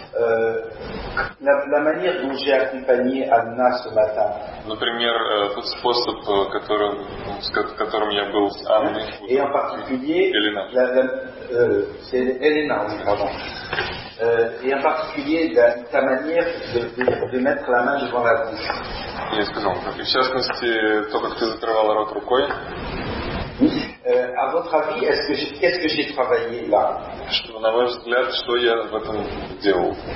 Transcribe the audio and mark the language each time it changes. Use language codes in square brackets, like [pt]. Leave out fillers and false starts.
[fr] Par exemple, la manière dont j'ai accompagné Anna ce matin. [ru] Например, тот способ, которым я был с Анной. [fr] Et en particulier, Elena. C'est Elena, oui, pardon. Et en particulier, ta manière de mettre la main devant la bouche. [ru] Я сказал, в частности, то, как ты закрывал рот рукой. [fr] À votre avis, qu'est-ce que j'ai travaillé là? [ru] Что, на ваш взгляд, что я в этом делал?